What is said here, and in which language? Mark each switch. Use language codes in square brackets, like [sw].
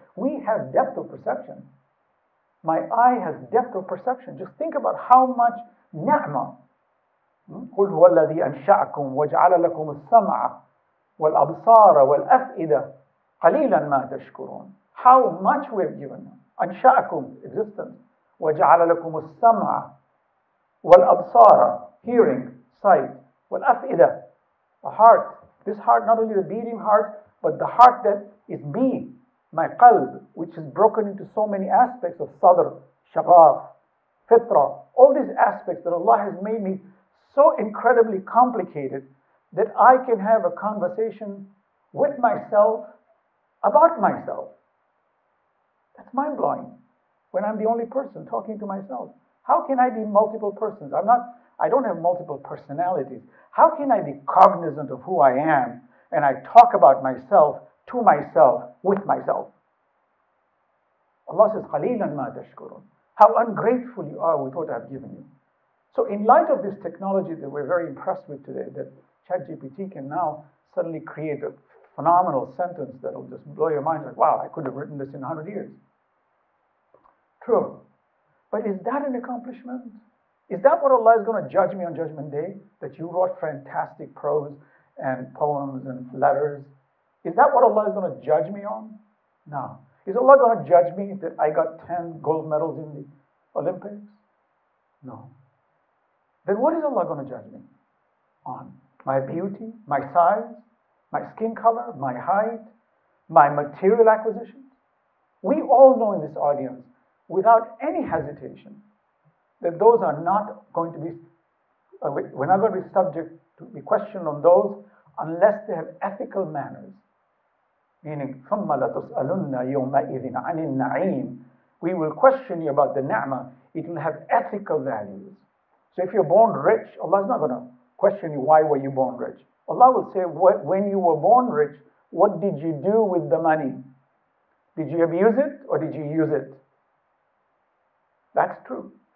[en] We have depth of perception. My eye has depth of perception. Just think about how much ni'mah. [ar] قُلْ هُوَ الَّذِي أَنْشَأَكُمْ وَجْعَلَ لَكُمُ السَّمْعَ وَالْأَبْصَارَ وَالْأَفْئِدَةَ قَلِيلًا مَا تَشْكُرُونَ. [en] How much we have given. [ar] أَنْشَأَكُمْ, [en] existence. [ar] وَجْعَلَ لَكُمُ السَّمْعَ وَالْأَبْصَارَ, [en] hearing, sight. [ar] وَالْأَفْئِدَةَ, [en] a heart. This heart, not only the beating heart, but the heart that is me, my qalb, which is broken into so many aspects of sadr, shagaf, fitra, all these aspects that Allah has made me so incredibly complicated that I can have a conversation with myself about myself. That's mind-blowing. When I'm the only person talking to myself, how can I be multiple persons? I don't have multiple personalities. How can I be cognizant of who I am and I talk about myself to myself with myself? Allah says, [ar] قَلِيلًا مَا تَشْكُرُونَ. [en] How ungrateful you are with what I've given you. So in light of this technology that we're very impressed with today, that ChatGPT can now suddenly create a phenomenal sentence that will just blow your mind, like, wow, I could have written this in 100 years. True. But is that an accomplishment? Is that what Allah is going to judge me on Judgment Day? That you wrote fantastic prose and poems and letters? Is that what Allah is going to judge me on? No. Is Allah going to judge me that I got 10 gold medals in the Olympics? No. Then what is Allah going to judge me on? My beauty, my size, my skin color, my height, my material acquisition? We all know in this audience, without any hesitation, that those are not going to be, we're not going to be subject to be questioned on those unless they have ethical manners. Meaning, [ar] ثُمَّ لَتُسْأَلُنَّ يَوْمَئِذٍ عَنِ النَّعِيمِ. [en] We will question you about the ni'mah. It will have ethical values. So if you're born rich, Allah is not going to question you, why were you born rich? Allah will say, when you were born rich, what did you do with the money? Did you abuse it or did you use it? That's true.